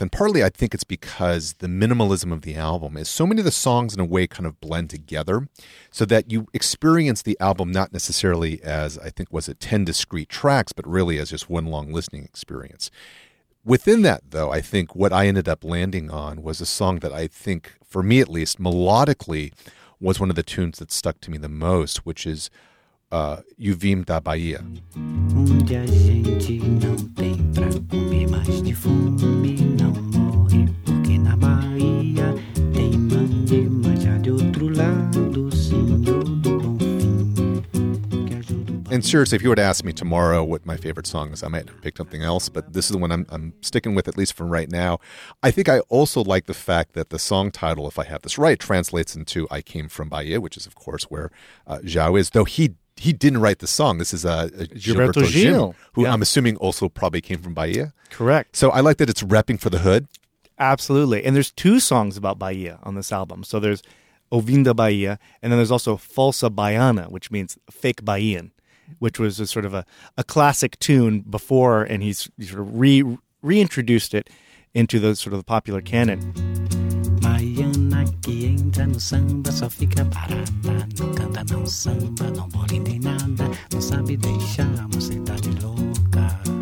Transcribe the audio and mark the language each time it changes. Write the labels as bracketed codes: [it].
[en] And partly I think it's because the minimalism of the album is so many of the songs in a way kind of blend together so that you experience the album not necessarily as, I think, was it 10 discrete tracks, but really as just one long listening experience. Within that, though, I think what I ended up landing on was a song that I think, for me at least, melodically was one of the tunes that stuck to me the most, which is [pt] Eu Vim da Bahia. Onde a gente não tem pra comer, mas de fome não morre, porque na Bahia tem mande manjar de outro lado, Senhor do Bom Fim. [en] And seriously, if you were to ask me tomorrow what my favorite song is, I might have picked something else, but this is the one I'm sticking with, at least from right now. I think I also like the fact that the song title, if I have this right, translates into I Came From Bahia, which is, of course, where Zhao is, though he didn't write the song. This is Gilberto Gil, who I'm assuming also probably came from Bahia. Correct. So I like that it's rapping for the hood. Absolutely. And there's two songs about Bahia on this album. So there's Ovinda Bahia, and then there's also Falsa Baiana, which means fake Bahian, which was a sort of a classic tune before, and he sort of reintroduced it into the sort of the popular canon. [pt] Baiana que entra no samba só fica parada, não canta, não samba, não mole nem nada, não sabe deixar a mocidade louca.